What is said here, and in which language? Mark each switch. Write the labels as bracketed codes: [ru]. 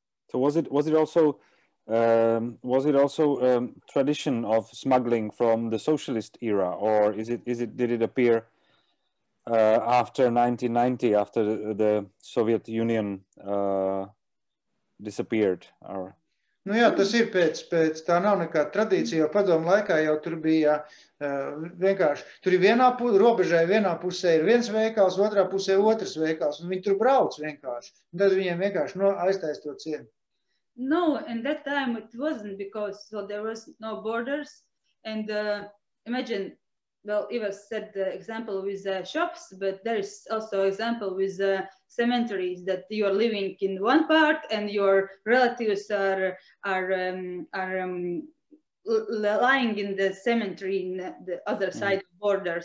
[en] So was it also tradition of smuggling from the socialist era, or did it appear after 1990, after the Soviet Union? Disappeared or [lv] Nu jā, tas ir pēc tā nav nekā tradīcija, jo padomu laikā jau tur bija vienkārši, tur ir vienā robežai, vienā pusē ir viens veikals, otrā pusē otrs veikals, un viņi tur brauc vienkārši. Un tad viņiem vienkārši no aiztaisto cienu. [en] No, in that time it wasn't because so there was no borders and imagine well Ivars said the example with the shops, but there is also example with the cemeteries that you are living in one part and your relatives are lying in the cemetery in the other side mm-hmm. border.